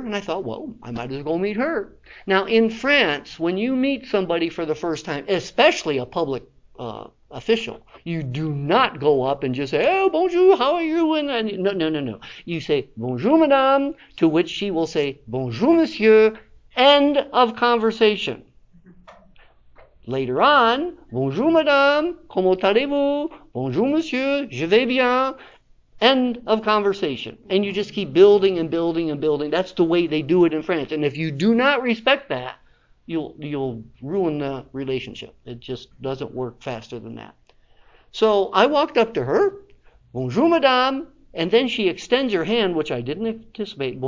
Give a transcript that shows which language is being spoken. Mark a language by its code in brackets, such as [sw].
[en] And I thought, well, I might as well go meet her. Now, in France, when you meet somebody for the first time, especially a public official, you do not go up and just say, oh, bonjour, how are you? And no. You say, [fr] bonjour, madame, [en] to which she will say, [fr] bonjour, monsieur, [en] end of conversation. [fr] Later on, bonjour madame, comment allez-vous? Bonjour monsieur, je vais bien. [en] End of conversation. And you just keep building and building and building. That's the way they do it in France. And if you do not respect that, you'll ruin the relationship. It just doesn't work faster than that. So I walked up to her, [fr] bonjour madame, [en] and then she extends her hand, which I didn't anticipate.